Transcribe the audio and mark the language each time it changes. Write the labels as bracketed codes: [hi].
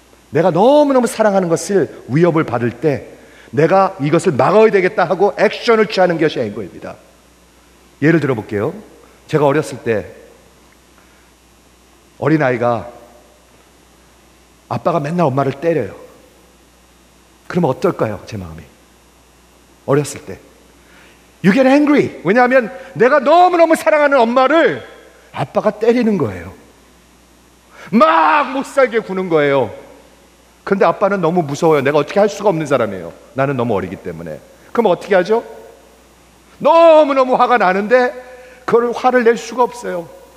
[ko] 내가 너무너무 사랑하는 것을 위협을 받을 때 내가 이것을 막아야 되겠다 하고 액션을 취하는 것이 앵거입니다. 예를 들어볼게요. 제가 어렸을 때 어린아이가 아빠가 맨날 엄마를 때려요. 그러면 어떨까요? 제 마음이. 어렸을 때 [en] You get angry. [ko] 왜냐하면 내가 너무너무 사랑하는 엄마를 아빠가 때리는 거예요. 막 못살게 구는 거예요. 근데 아빠는 너무 무서워요. 내가 어떻게 할 수가 없는 사람이에요. 나는 너무 어리기 때문에. 그럼 어떻게 하죠? 너무너무 화가 나는데 그걸 화를 낼 수가 없어요.